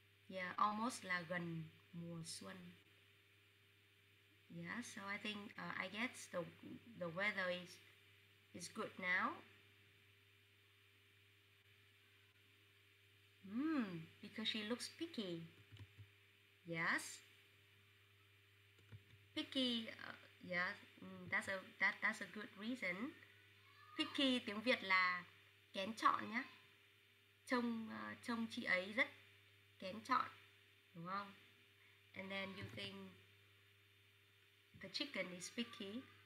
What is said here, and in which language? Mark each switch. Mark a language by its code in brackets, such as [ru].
[en] Yeah, almost [vi] là gần mùa xuân. [en] Yeah, so I think I guess the weather is good now. Because she looks picky. Yes. Picky, that's a good reason. [vi] Picky tiếng Việt là kén chọn nhá. Trông chị ấy rất kén chọn, đúng không? [en] And then you think the chicken is picky.